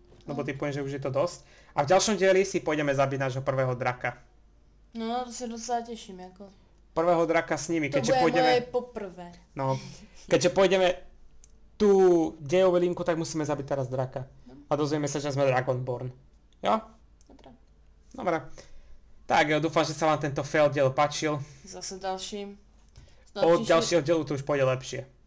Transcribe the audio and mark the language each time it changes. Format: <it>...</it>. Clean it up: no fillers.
<sk>Lebo ty poviem, že už je to dosť. A v ďalšom dieli si pôjdeme zabiť nášho prvého draka.</sk> <cs>No, to se docela těším, jako.</cs> <sk>prvého draka s nimi,</sk> <cs>To</cs> <sk>keďže</sk> <cs>bude</cs> <sk>pôjdeme...</sk> <cs>moje poprvé.</cs> <sk>No, keďže pôjdeme tú dejovú linku, tak musíme zabiť teraz draka. A dozvieme sa, že sme Dragonborn.</sk> <cs>Jo?</cs> <sk>Dobre. Dobre.</sk> <cs>Tak jo,</cs> <sk>dúfam, že sa vám tento fail diel páčil. Zase ďalším. Od ďalšieho dielu to už pôjde lepšie.</sk>